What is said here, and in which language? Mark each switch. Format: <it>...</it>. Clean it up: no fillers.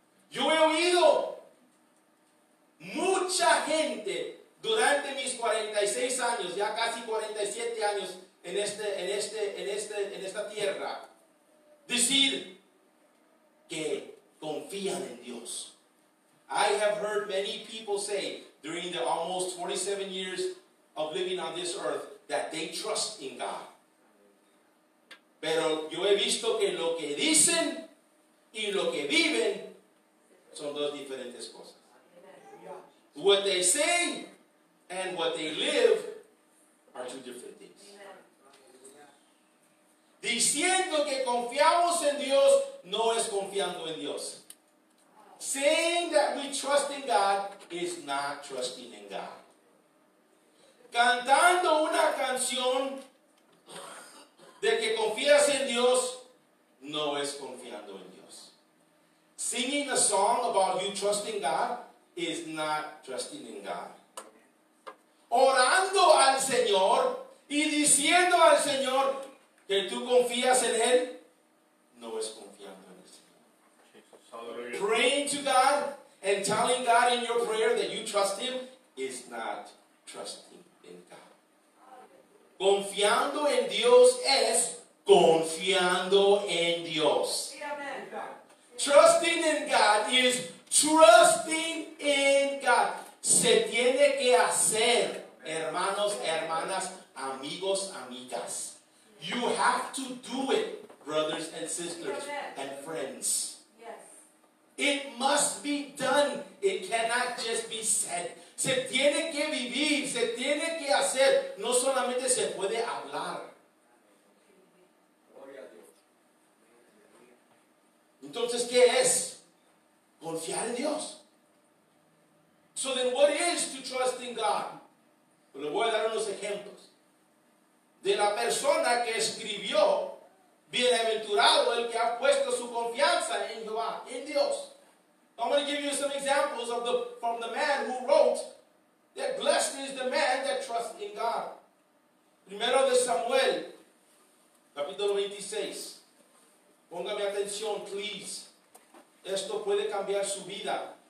<es>Yo he oído mucha gente durante mis 46 años, ya casi 47 años en esta tierra, decir que confían en Dios.</es> <en>I have heard many people say during the almost 47 years of living on this earth that they trust in God.</en> <es>Pero yo he visto que lo que dicen y lo que viven son dos diferentes cosas.</es> <en>What they say and what they live are two different things.</en> <es>diciendo que confiamos en Dios no es confiando en Dios.</es> <en>Saying that we trust in God is not trusting in God.</en> <es>Cantando una canción de que confías en Dios no es confiando en Dios.</es> <en>Singing a song about you trusting God is not trusting in God.</en> <es>Orando al Señor y diciendo al Señor que tú confías en Él, no es confiando en el Señor.</es> <en>Praying to God and telling God in your prayer that you trust Him is not trusting in God.</en> <es>Confiando en Dios es confiando en Dios.</es> <en>Trusting in God is trusting in God.</en> <es>Se tiene que hacer, hermanos, hermanas, amigos, amigas.</es> <en>You have to do it, brothers and sisters and friends. It must be done. It cannot just be said.</en> <es>Se tiene que vivir, se tiene que hacer. No solamente se puede hablar. Entonces, ¿qué es? Confiar en Dios.</es> <en>So then, what is to trust in God?</en> <es>Le voy a dar unos ejemplos. De la persona que escribió, bienaventurado el que ha puesto su confianza en Jehová, en Dios.</es> <en>I'm going to give you some examples of the from the man who wrote, that blessed is the man that trusts in God.</en> <es>Primero de Samuel, capítulo 26. Póngame atención, please. Esto puede cambiar su vida.</es>